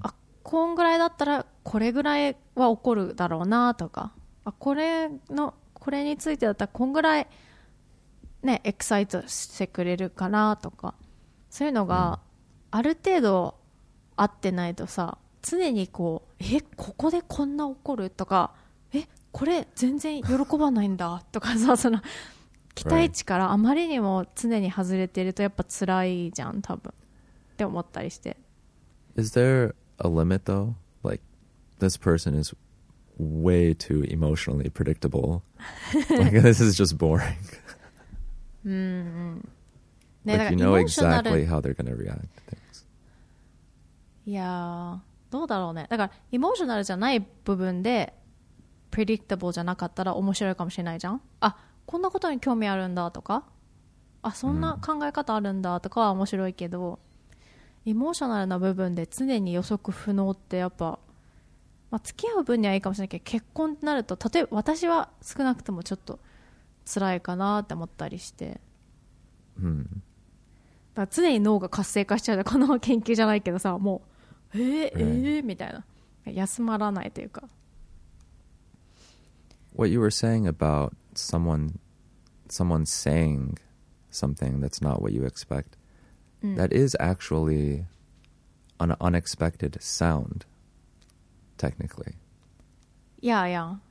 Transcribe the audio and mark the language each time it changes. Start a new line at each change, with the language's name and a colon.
Japanese: あこんぐらいだったらこれぐらいは起こるだろうなとか、あこれのこれについてだったらこんぐらいねエキサイトしてくれるかなとか、そういうのがある程度合ってないとさ、常にこうえここでこんな起こるとか、えこれ全然喜ばないんだとかさ、その期待値からあまりにも常に外れてるとやっぱ辛いじゃん多分って思ったりして。
English: Is there a limit though? Like this person is way too emotionally predictable. Like this is just boring. ね、 like you know exactly how they're gonna react to things.
Japanese: Yeah, どうだろうね。だからエモーショナルじゃない部分でプレディクタブルじゃなかったら面白いかもしれないじゃん。あこんなことに興味あるんだとか、あそんな考え方あるんだとかは面白いけど、エモーショナルな部分で常に予測不能ってやっぱ、まあ、付き合う分にはいいかもしれないけど、結婚ってなると例えば私は少なくともちょっと辛いかなって思ったりして。うん。だから常に脳が活性化しちゃう、この研究じゃないけどさ、もうみたいな、休まらないというか。
English: What you were saying aboutSomeone saying something that's not what you expect. That is actually an unexpected sound, technically. Yeah, yeah.